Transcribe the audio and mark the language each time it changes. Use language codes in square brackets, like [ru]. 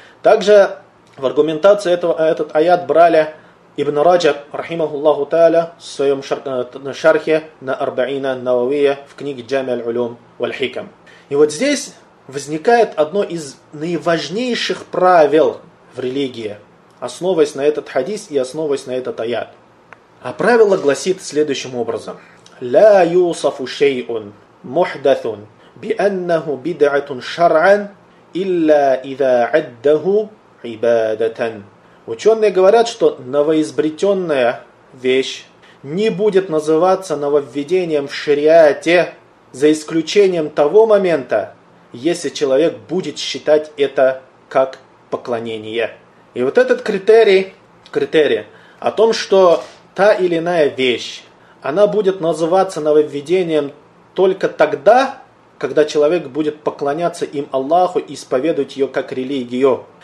[ru] Также в аргументации этот аят брали Ибн Раджаб, рахимахуллаху та'аля, в своем шархе на Арбаина Нававия в книге Джами аль-Улум валь-Хикам. И вот здесь возникает одно из наиважнейших правил в религии, основываясь на этот хадис и основываясь на этот аят. А правило гласит следующим образом. [ar] «Ля юсафу шейун». محدثٌ بأنه بدعة شرعًا إلا إذا عده عبادة. [ru] Ученые говорят, что новоизобретенная вещь не будет называться нововведением в шариате за исключением того момента, если человек будет считать это как поклонение. И вот этот критерий о том, что та или иная вещь, она будет называться нововведением только тогда, когда человек будет поклоняться им Аллаху и исповедовать ее как религию.